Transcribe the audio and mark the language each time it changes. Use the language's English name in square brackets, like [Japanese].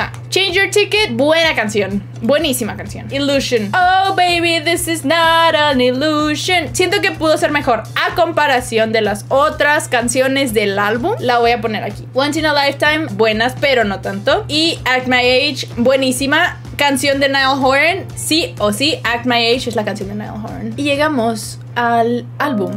[Spanish] Change Your Ticket, buena canción. Buenísima canción. Illusion. [English] Oh baby, this is not an illusion. [Spanish] Siento que pudo ser mejor a comparación de las otras canciones del álbum. La voy a poner aquí. Once in a Lifetime, buenas pero no tanto. Y At My Age, buenísima canción de Niall Horan. Sí o sí, At My Age es la canción de Niall Horan. Y llegamos al álbum.